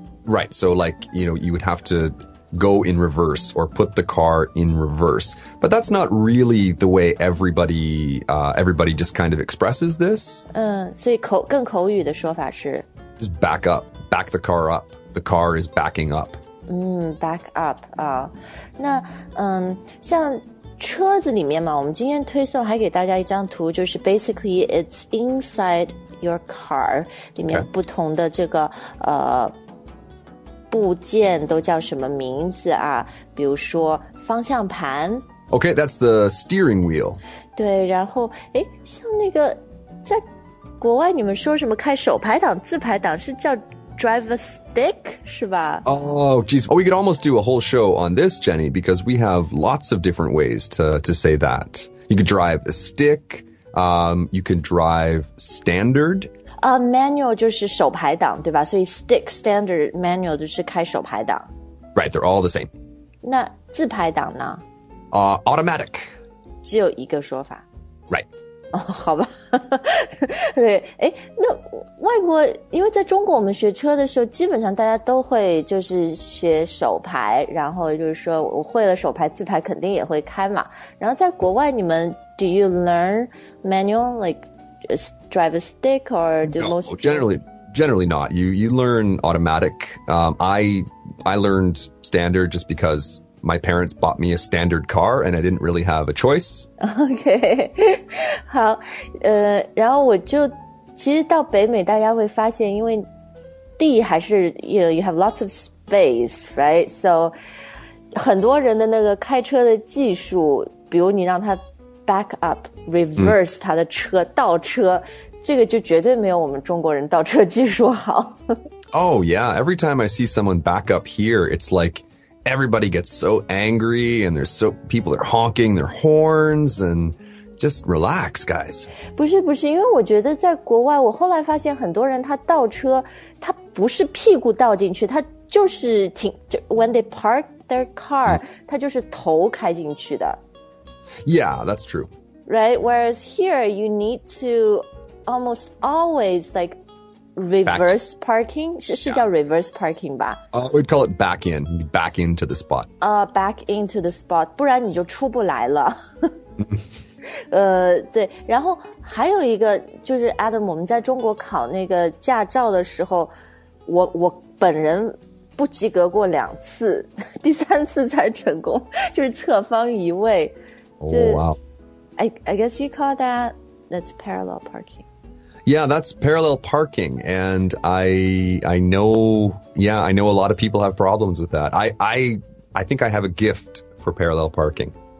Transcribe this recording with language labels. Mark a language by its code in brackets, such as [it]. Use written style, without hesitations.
[en] Right, so like, you know, you would have to go in reverse or put the car in reverse. But that's not really the way everybody just kind of expresses this. [zh] 所以更口语的说法是 [en] just back up, back the car up. The car is backing up. [zh] Back up 啊，那像车子里面嘛，我们今天推送还给大家一张图，就是 [en] basically it's inside your car [zh] 里面不同的这个、okay. 部件都叫什么名字啊？比如说方向盘。 [en] Okay, that's the steering wheel. [zh] 对，然后哎，像那个在国外你们说什么开手排档、自排档是叫？ [en] Drive a stick, [zh] 是吧? [en] Oh, geez. Oh, we could almost do a whole show on this, Jenny, because we have lots of different ways to say that. You could drive a stick, you can drive standard. [zh] Manual 就是手排档,对吧?所以 stick, standard, manual 就是开手排档。 [en] Right, they're all the same. [zh] 那自排档呢? [en] Automatic. [zh] 只有一个说法。 [en] Right. [zh] 好吧对诶那外国因为在中国我们学车的时候基本上大家都会就是学手排然后就是说我会了手排自排肯定也会开嘛然后在国外你们 [en] do you learn manual like drive a stick or do no, most generally not you learn automatic I learned standard just because my parents bought me a standard car and I didn't really have a choice. Okay. [zh] 好，然后我就其实到北美大家会发现因为地还是 [en] you know, you have lots of space, right? [zh] So, 很多人的那个开车的技术比如你让他 back up, reverse 他的车倒车这个就绝对没有我们中国人倒车技术好。 [en] Oh yeah, every time I see someone back up here, it's like everybody gets so angry and there's so, people are honking their horns and just relax, guys. [zh] 不是不是因为我觉得在国外我后来发现很多人他倒车他不是屁股倒进去他就是停就 [en] when they park their car, [zh] 他就是头开进去的。 [en] Yeah, that's true. Right, whereas here you need to almost always like,Reverse parking? [zh] 是叫 reverse parking 吧、 [en] We'd call it back in. Back into the spot. Back into the spot. [zh] 不然你就出不来了。对。然后还有一个就是 Adam, 我们在中国考那个驾照的时候 我本人不及格过两次第三次才成功就是侧方移位。 [en] Oh, wow. I guess you call that, that's parallel parking. Yeah, that's parallel parking, and I know a lot of people have problems with that. I think I have a gift for parallel parking.